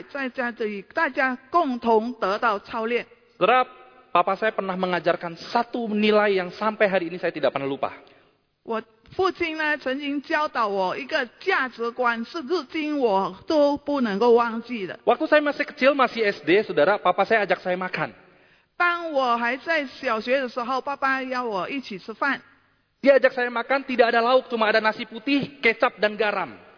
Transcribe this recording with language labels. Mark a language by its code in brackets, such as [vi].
[zh] 所以呢，我们基督徒就是被呼召，要在邀请来到上帝的面前，大家一起集合起来，在这里敬拜，在家里大家共同得到操练。 [id] Saudara, papa saya pernah mengajarkan satu nilai yang sampai hari ini saya tidak pernah lupa. [zh] 我父亲呢，曾经教导我一个价值观，是至今我都不能够忘记的。 [id] Waktu saya masih kecil, masih SD, saudara, papa saya ajak saya makan. [zh] 当我还在小学的时候，爸爸邀我一起吃饭。 [id] Dia ajak saya makan, tidak ada lauk, cuma ada nasi putih, kecap dan garam.